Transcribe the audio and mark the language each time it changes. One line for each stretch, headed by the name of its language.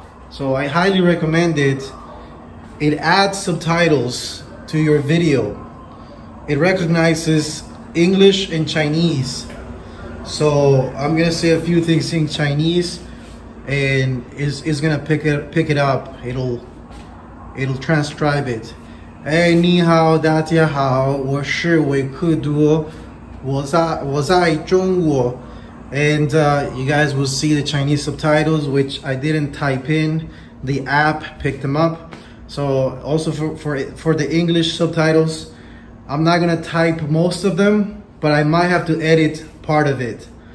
English: So I highly recommend it. It adds subtitles to your video. It recognizes English and Chinese. So I'm gonna say a few things in Chinese, and it's gonna pick it up. It'll transcribe it.
Chinese: Hey, 你好，大家好，我是维克多，我在中国。
English: And you guys will see the Chinese subtitles, which I didn't type in. The app picked them up. So also for the English subtitles, I'm not gonna type most of them, but I might have to edit part of it.